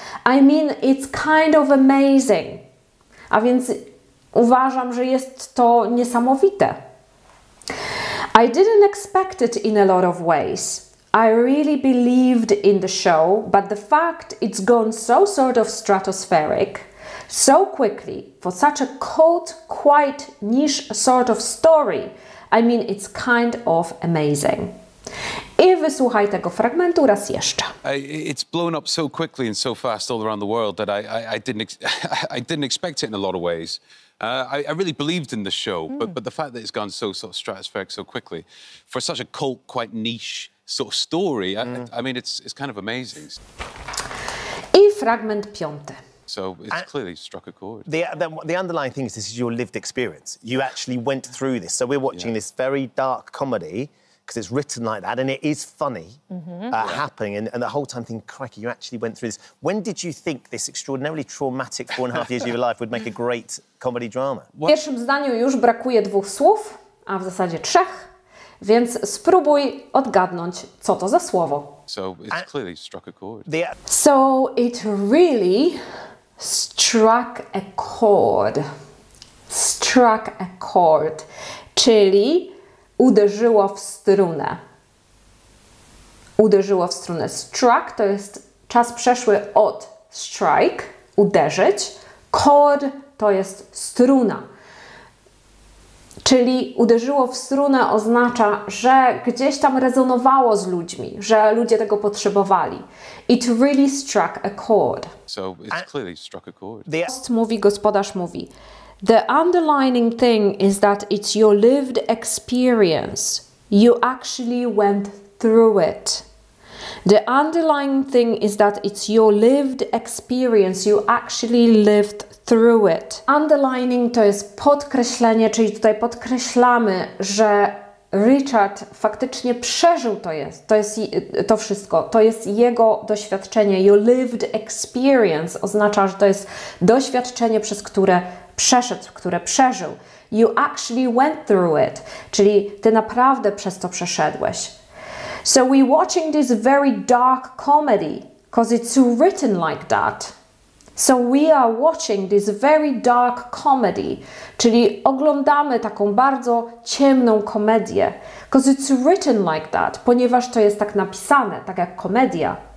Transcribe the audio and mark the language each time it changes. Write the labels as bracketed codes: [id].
[en] I mean, it's kind of amazing. [pl] A więc uważam, że jest to niesamowite. [en] I didn't expect it in a lot of ways. I really believed in the show, but the fact it's gone so sort of stratospheric, so quickly, for such a cult, quite niche sort of story, I mean, it's kind of amazing. [pl] I wysłuchaj tego fragmentu raz jeszcze. [en] It's blown up so quickly and so fast all around the world that I didn't expect it in a lot of ways. I really believed in the show, but the fact that it's gone so sort of stratospheric so quickly for such a cult, quite niche sort of story, I mean, it's kind of amazing. [pl] I fragment piąty. [en] So it's clearly struck a chord. The underlying thing is this is your lived experience. You actually went through this. So we're watching this very dark comedy because it's written like that and it is funny happening. And the whole time thinking, crikey, you actually went through this. When did you think this extraordinarily traumatic 4.5 years of your life would make a great comedy drama? [pl] W pierwszym zdaniu już brakuje dwóch słów, a w zasadzie trzech. Więc spróbuj odgadnąć, co to za słowo. [en] So it clearly struck a chord. So it really struck a chord. Struck a chord. [pl] Czyli uderzyło w strunę. Uderzyło w strunę. Struck to jest czas przeszły od strike, uderzyć. Chord to jest struna. Czyli uderzyło w strunę oznacza, że gdzieś tam rezonowało z ludźmi, że ludzie tego potrzebowali. [en] It really struck a chord. So it's clearly struck a chord. The host [pl] mówi, gospodarz mówi. [en] The underlining thing is that it's your lived experience. You actually went through it. The underlying thing is that it's your lived experience. You actually lived through it. [pl] Underlining to jest podkreślenie, czyli tutaj podkreślamy, że Richard faktycznie przeżył to wszystko. To jest jego doświadczenie. [en] Your lived experience [pl] oznacza, że to jest doświadczenie, przez które przeszedł, które przeżył. [en] You actually went through it, [pl] czyli ty naprawdę przez to przeszedłeś. [en] So we're watching this very dark comedy, because it's written like that. So we are watching this very dark comedy, [pl] czyli oglądamy taką bardzo ciemną komedię, [en] because it's written like that, [pl] ponieważ to jest tak napisane, tak jak komedia.